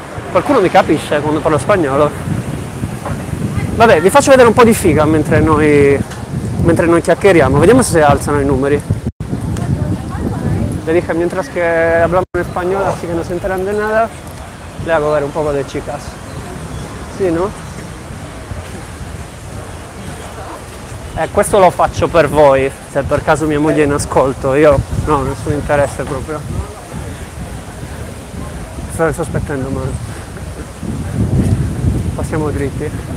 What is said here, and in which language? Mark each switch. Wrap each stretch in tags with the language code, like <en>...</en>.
<it>Qualcuno mi capisce quando parlo spagnolo. Vabbè, vi faccio vedere un po' di figa mentre noi chiacchieriamo. Vediamo se alzano i numeri.</it> <es>Le dije, mientras que hablamos en español, así que no se enteran de nada, le hago ver un poco de chicas.</es> <it>Sì, no? Questo lo faccio per voi, se per caso mia moglie è in ascolto, io no, nessun interesse proprio. Sto aspettando, ma passiamo dritti.</it>